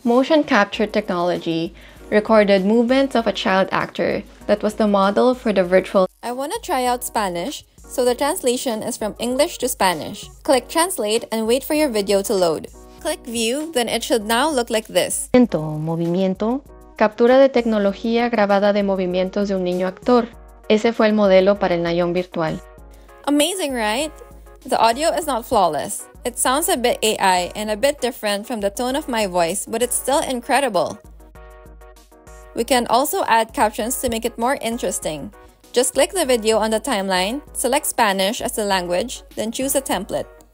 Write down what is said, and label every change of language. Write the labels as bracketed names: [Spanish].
[English] Motion capture technology recorded movements of a child actor that was the model for the virtual. I want to try out Spanish, so the translation is from English to Spanish. Click Translate and wait for your video to load. Click View, then it should now look like this. [Spanish] Movimiento. Captura de tecnología grabada de movimientos de un niño actor. Ese fue el modelo para el Nayon virtual. [English] Amazing, right? The audio is not flawless. It sounds a bit AI and a bit different from the tone of my voice, but it's still incredible. We can also add captions to make it more interesting. Just click the video on the timeline, select Spanish as the language, then choose a template.